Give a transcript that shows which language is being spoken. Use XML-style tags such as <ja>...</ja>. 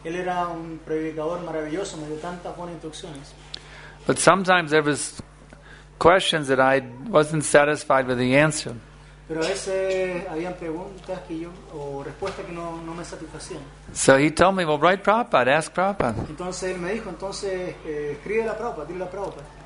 <es>Él era un predicador maravilloso, me dio tantas buenas instrucciones.</es> <en>But sometimes there was questions that I wasn't satisfied with the answer.</en> <es>Pero a veces habían preguntas que yo, o respuestas que no me satisfacían.</es> <en>So he told me, well, write Prabhupada, ask Prabhupada.</en> <es>Entonces él me dijo, entonces escribe la Prabhupada, dile la Prabhupada.</es>